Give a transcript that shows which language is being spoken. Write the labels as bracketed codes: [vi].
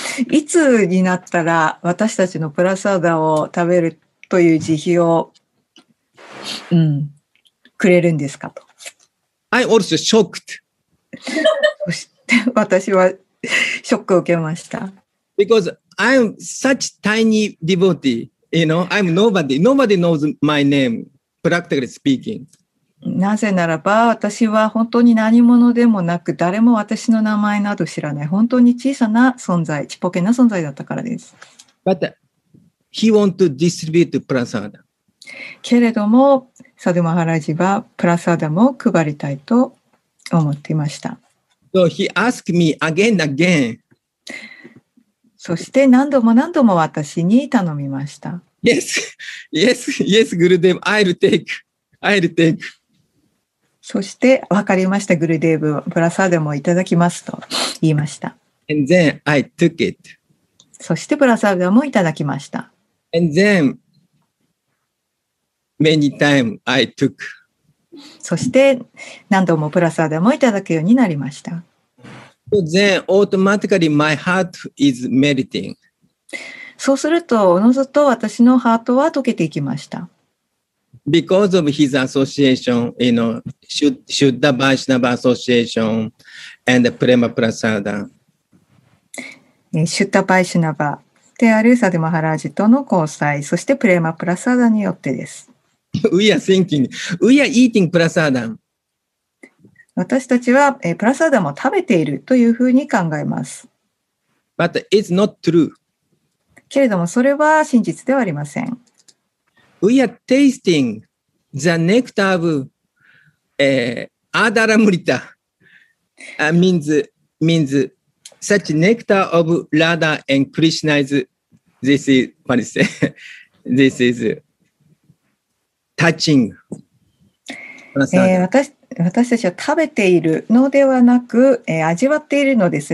[ja] いつになったら私たちのプラサーダを食べるという慈悲を、くれるんですかと。 [en] I also shocked. [ja] 私はショックを受けました。 [en] Because I'm such tiny devotee, you know, I'm nobody. Nobody knows my name, practically speaking. [ja] なぜならば私は本当に何者でもなく誰も私の名前など知らない本当に小さな存在ちっぽけな存在だったからです。 [en] But he want to distribute prasada. [ja] けれどもサドマハラジはプラサダも配りたいと思っていました。 [en] So he asked me again and again. [ja] そして何度も何度も私に頼みました。 [en] Yes, yes, yes, Gurudev, I'll take, I'll take. [ja] そして分かりましたグルデーブプラサーダもいただきますと言いました。 [en] And then I took it. [ja] そしてプラサーダもいただきました。 [en] And then many times I took. [ja] そして何度もプラサーダもいただくようになりました。 [en] So then automatically my heart is melting. [ja] そうするとおのずと私のハートは溶けていきました。 [en] Because of his association, you know, Shuddha Vaishnava Association and Prema Prasada. [ja] Shuddha Vaishnava であるサデマハラージとの交際、そしてプレマプラサダによってです。 [en] We are thinking. We are eating prasadam. [ja] 私たちは、プラサダムを食べているというふうに考えます。 [en] But it's not true. [ja] けれどもそれは真実ではありません。 [en] We are tasting the nectar of Adharamrita. Means such nectar of Radha and Krishna is this is what is this is touching. [ja] 私たちは食べているのではなく、味わっているのです。